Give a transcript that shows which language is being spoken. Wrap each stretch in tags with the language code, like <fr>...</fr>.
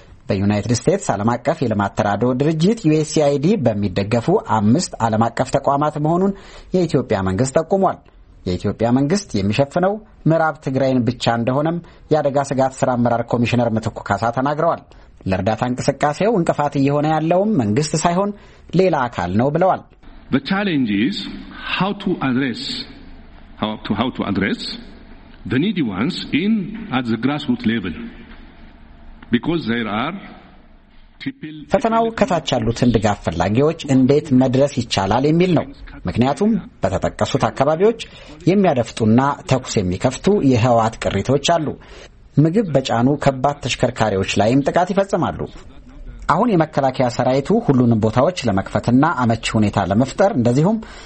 <am>በዩናይትድ ስቴትስ ዓለም አቀፍ የልማት ተራድኦ ድርጅት USAID በሚደገፉ አምስት ዓለም አቀፍ ተቋማት መሆኑን የኢትዮጵያ መንግስት ጠቁሟል። የኢትዮጵያ መንግስት የሚሸፍነው ምዕራብ ትግራይን ብቻ እንደሆነም የአደጋ ስጋት ስራ አመራር ኮሚሽነር ምትኩ ካሳ ተናግረዋል። ለእርዳታ እንቅስቃሴው እንቅፋት እየሆነ ያለውም መንግስት ሳይሆን ሌላ አካል ነው ብለዋል።</am> <en>The challenge is how to address the needy ones in at the grassroots level. Because there are people</en> <am>ፈተናው ከታች ያሉትን ድጋፍ ፈላጊዎች እንዴት መድረስ ይቻላል የሚል ነው። ምክንያቱም በተጠቀሱት አካባቢዎች የሚያደፍጡና ተኩስ የሚከፍቱ የህዋት ቅሪቶች አሉ። ምግብ በጫኑ ከባድ ተሽከርካሪዎች ላይም ጥቃት ይፈጸማሉ። አሁን የመከላከያ ሰራዊቱ ሁሉንም ቦታዎች ለመክፈትና አመቺ ሁኔታ ለመፍጠር እንደዚሁም</am>